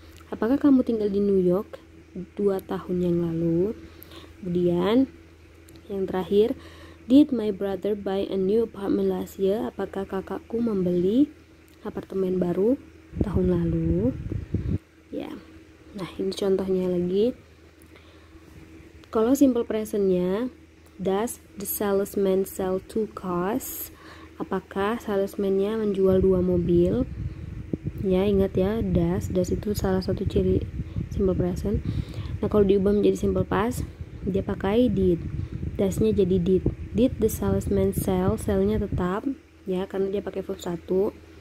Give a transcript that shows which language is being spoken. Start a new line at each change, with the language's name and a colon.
Indonesian: Apakah kamu tinggal di New York 2 tahun yang lalu? Kemudian yang terakhir,
English: did my brother buy a new apartment last year?
Indonesian: Apakah kakakku membeli apartemen baru tahun lalu? Ya, nah ini contohnya lagi. Kalau
English: simple presentnya, does the salesman sell 2 cars?
Indonesian: Apakah salesman-nya menjual 2 mobil? Ya, ingat ya, does itu salah satu ciri simple present. Nah, kalau diubah menjadi simple past, dia pakai did. Does-nya jadi did.
English: Did the salesman sell?
Indonesian: Sell-nya tetap, ya, karena dia pakai verb 1.